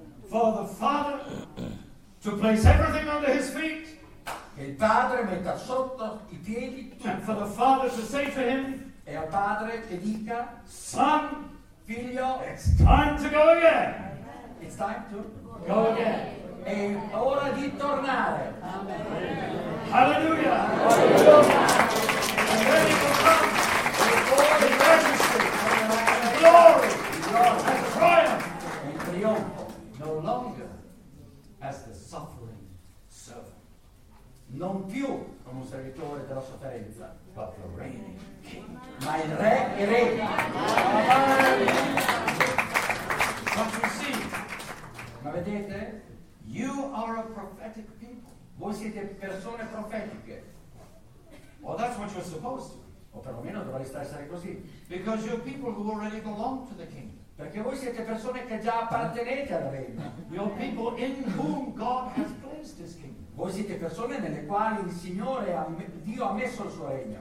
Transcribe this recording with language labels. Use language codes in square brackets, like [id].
[en] For the Father to place everything under his feet. [it] Che il Padre metta sotto i piedi tutto. [en] And for the Father to say to him. [it] E al Padre che dica. [en] Son. [it] Figlio, [en] it's time to go again. It's time to go again. [it] È ora di tornare. Amen. Hallelujah. Hallelujah. [en] And ready to come. The majesty. And glory. And triumph. And trionfo. No longer as the suffering servant. [it] Non più come un servitore della sofferenza. [en] But the reigning king. [it] Ma il re è re. [en] But you see, [it] ma vedete, [en] you are a prophetic people. [it] Voi siete persone profetiche. [en] Well, that's what you're supposed to. [it] O perlomeno dovreste essere così. [en] Because you're people who already belong to the king. [it] Perché voi siete persone che già appartenete al regno. [en] You're people in whom God has placed his kingdom. [it] Voi siete persone nelle quali il Signore, Dio ha messo il suo regno.